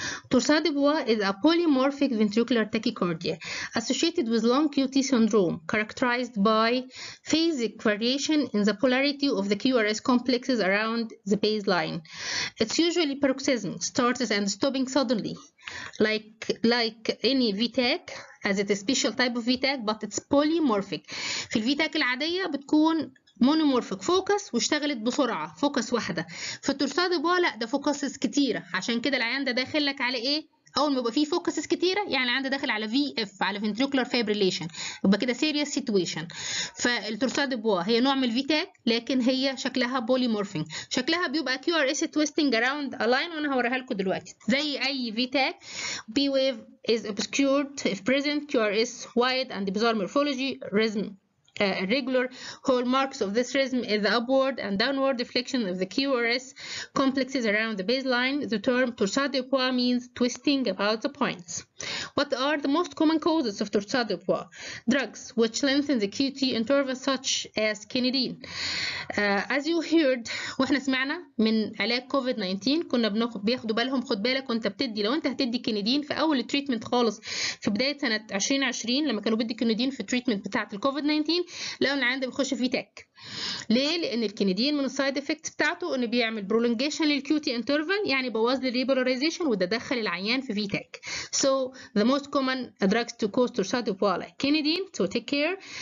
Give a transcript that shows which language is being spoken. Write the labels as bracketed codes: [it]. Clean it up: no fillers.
[en] Torsadobois is a polymorphic ventricular tachycardia associated with long QT syndrome, characterized by phasic variation in the polarity of the QRS complexes around the baseline. It's usually paroxysm, starts and stopping suddenly, like any VTAC. As it's a special type of VTAC, but it's polymorphic. [ar] في الفيتاك العادية بتكون مونومورفيك فوكس واشتغلت بسرعة فوكس واحدة. في التورساد بوا لا، ده فوكسز كتيرة. عشان كده العيان ده داخل لك على ايه؟ اول ما يبقى فيه فوكسز كتيرة يعني العيان ده داخل على في اف، على فنتريكولار فابريليشن، يبقى كده سيريس سيتويشن. فالتورساد بوا هي نوع من الفيتاك لكن هي شكلها بوليمورفين، شكلها بيبقى كيو ار اس تويستنج اراوند الاين، وانا هوريها لكم دلوقتي. [en] زي اي فيتاك بي ويف از اوبسكيورد اف بريزنت، كيو ار اس وايد اند بيزار مورفولوجي ريزم. Regular hallmarks of this rhythm is the upward and downward deflection of the QRS complexes around the baseline. The term torsadobois means twisting about the points. What are the most common causes of torsadobois? Drugs which lengthen the QT interval, such as quinidine. As you heard, [ar] واحنا سمعنا من علاج كوفيد 19 كنا بناخد بياخدوا بالهم، خد بالك وانت بتدي، لو انت هتدي كينيدين في اول التريتمنت خالص في بدايه سنه 2020 لما كانوا بيدي كينيدين في التريتمنت بتاعه الكوفيد 19، لقوا ان العيان ده بيخش في تاك. ليه؟ لان الكينيدين من السايد افكت بتاعته انه بيعمل برولونجيشن للكيو تي انترفال، يعني بوظ لي الريبولاريزيشن، وده دخل العيان في فيتاك. [en] So the most common drugs to cause torsadobois like quinidine, so take care.